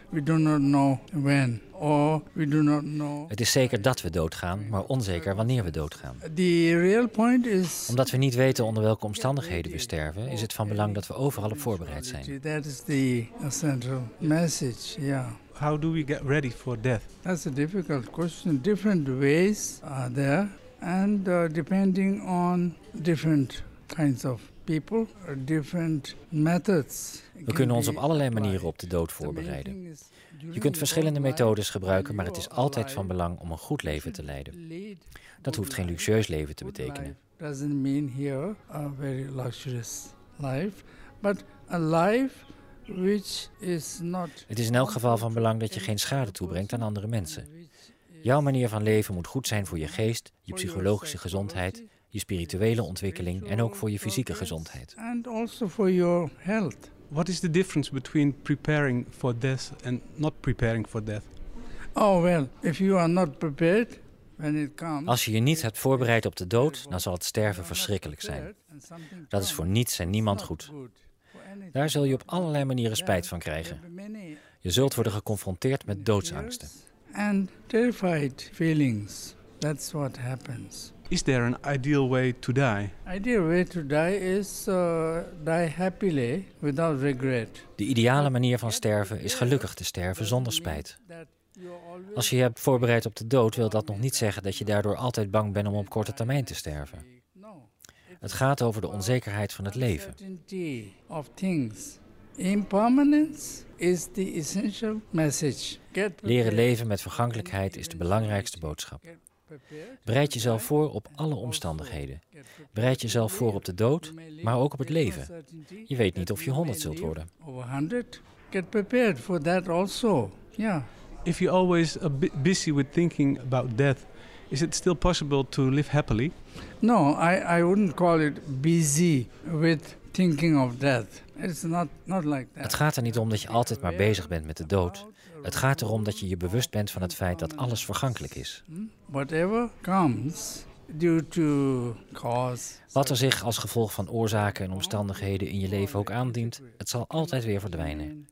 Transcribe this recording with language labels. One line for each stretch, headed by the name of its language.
English: We do not know when or we do not know.
Dutch: Het is zeker dat we doodgaan, maar onzeker wanneer we doodgaan.
English: The real point is,
Dutch: omdat we niet weten onder welke omstandigheden we sterven, is het van belang dat we overal op voorbereid zijn.
English: That is the central message, yeah. How do we get ready for death? That's a difficult question. Different ways are there and depending on different kinds of people, different methods.
Dutch: We kunnen ons op allerlei manieren op de dood voorbereiden. Je kunt verschillende methodes gebruiken, maar het is altijd van belang om een goed leven te leiden. Dat hoeft geen luxueus leven te betekenen.
English: Doesn't mean here a very luxurious life, but a life which is not.
Dutch: Het is in elk geval van belang dat je geen schade toebrengt aan andere mensen. Jouw manier van leven moet goed zijn voor je geest, je psychologische gezondheid, je spirituele ontwikkeling en ook voor je fysieke gezondheid.
English: And also for your health. What is the difference between preparing for death and not preparing for death? Oh well, if you are not prepared when it comes.
Dutch: Als je je niet hebt voorbereid op de dood, dan zal het sterven verschrikkelijk zijn. Dat is voor niets en niemand goed. Daar zul je op allerlei manieren spijt van krijgen. Je zult worden geconfronteerd met doodsangsten.
English: And terrified feelings. That's what happens. Is there an ideal way to die? Ideal way to die is die happily without regret.
Dutch: De ideale manier van sterven is gelukkig te sterven zonder spijt. Als je je hebt voorbereid op de dood, wil dat nog niet zeggen dat je daardoor altijd bang bent om op korte termijn te sterven. Het gaat over de onzekerheid van het leven.
English: Of things. Impermanence is the essential message.
Dutch: Leren leven met vergankelijkheid is de belangrijkste boodschap. Bereid jezelf voor op alle omstandigheden. Bereid jezelf voor op de dood, maar ook op het leven. Je weet niet of je 100 zult worden.
English: Get prepared for that also. Yeah. If you're always a bit busy with thinking about death, is it still possible to live happily? No, I wouldn't call it busy with thinking of death. It's not like that.
Dutch: Het gaat er niet om dat je altijd maar bezig bent met de dood. Het gaat erom dat je je bewust bent van het feit dat alles vergankelijk is.
English: Whatever comes, due to cause.
Dutch: Wat er zich als gevolg van oorzaken en omstandigheden in je leven ook aandient, het zal altijd weer verdwijnen.